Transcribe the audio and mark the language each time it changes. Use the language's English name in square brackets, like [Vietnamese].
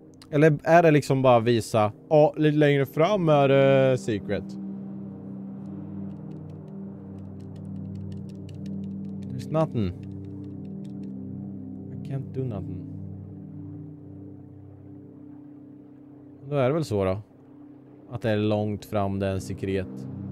[Swedish] Eller är det liksom bara visa? Ja, oh, lite längre fram är det secret. [English] There's nothing. I can't do nothing. [Swedish] Då är det väl så då? Att det är långt fram det är en secret.